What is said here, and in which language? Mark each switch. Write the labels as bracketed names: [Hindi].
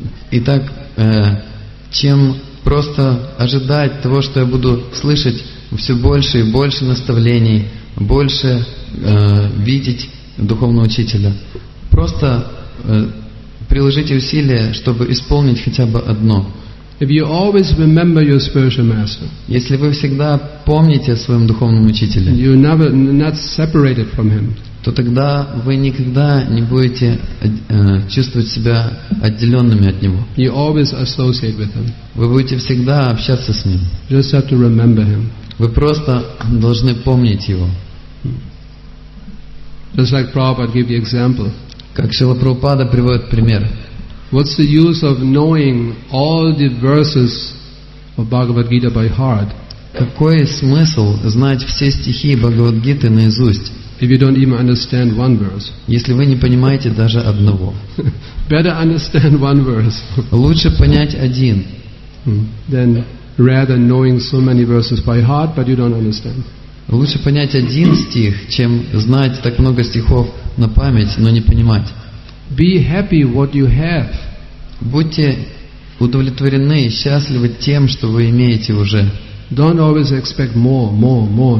[Russian] Итак, чем просто ожидать того, что я буду слышать все больше и больше наставлений, больше видеть духовного учителя, просто приложите усилия, чтобы исполнить хотя бы одно. [English] If you always remember your spiritual master, [Russian] если вы всегда помните о своем духовном учителе, [English] you never not separated from him, [Russian] то тогда вы никогда не будете чувствовать себя отделенными от него. [English] You always associate with him. [Russian] Вы будете всегда общаться с ним. [English] Just have to remember him. [Russian] Вы просто должны помнить его. [English] Just like Prabhupada gave the example. [Russian] Как Шрила Прабхупада приводит пример. [English] What's the use of knowing all the verses of Bhagavad Gita by heart? [Russian] Какой смысл знать все стихи Бхагавад Гиты наизусть? [English] If you don't even understand one verse. [Russian] Если вы не понимаете даже одного. [English] Better understand one verse. [Russian] Лучше понять один. [English] Then rather knowing so many verses by heart, but you don't understand. [Russian] Лучше понять один стих, чем знать так много стихов на память, но не понимать. [English] Be happy what you have. [Russian] Будьте удовлетворены и счастливы тем, что вы имеете уже. [English] Don't always expect more, more, more.